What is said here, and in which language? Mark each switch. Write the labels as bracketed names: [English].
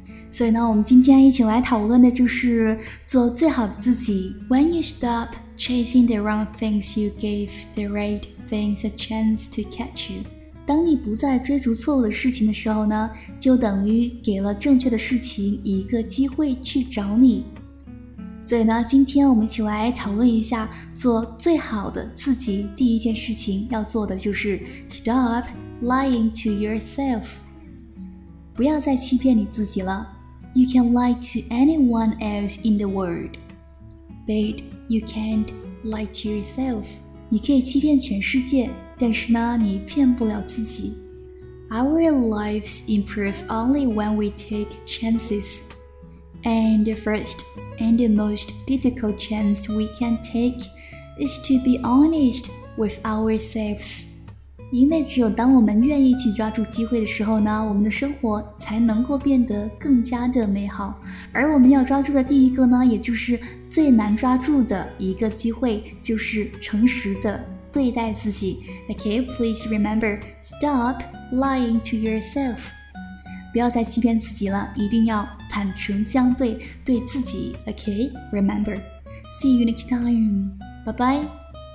[Chinese] 所以呢，我们今天一起来讨论的就是做最好的自己。 [English] When you stop chasing the wrong things, you give the right things a chance to catch you. [Chinese] 当你不再追逐错误的事情的时候呢，就等于给了正确的事情一个机会去找你。所以呢，今天我们一起来讨论一下做最好的自己。第一件事情要做的就是 [English] Stop lying to yourself. [Chinese] 不要再欺骗你自己了。 [English] You can lie to anyone else in the world, but you can't lie to yourself. [Chinese] 你可以欺骗全世界，但是呢，你骗不了自己。 [English] Our lives improve only when we take chances. And the first and the most difficult chance we can take is to be honest with ourselves. [Chinese] 因为只有当我们愿意去抓住机会的时候呢，我们的生活才能够变得更加的美好。而我们要抓住的第一个呢，也就是最难抓住的一个机会，就是诚实的对待自己。 [English] Okay, please remember, stop lying to yourself. [Chinese] 不要再欺骗自己了，一定要坦诚相对，对自己。 [English] Okay, remember. See you next time. Bye bye.